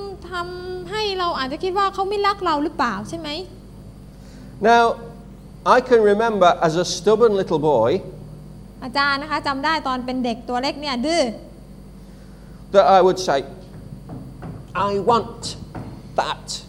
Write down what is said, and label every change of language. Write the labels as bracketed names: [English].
[Thai] ทำให้เราอาจจะคิดว่าเขาไม่รักเราหรือเปล่าใช่ไหม [English] Now, I can remember as a stubborn little boy. [Thai] อาจารย์นะคะจำได้ตอนเป็นเด็กตัวเล็กเนี่ยดื้อ [English] That I would say, I want that.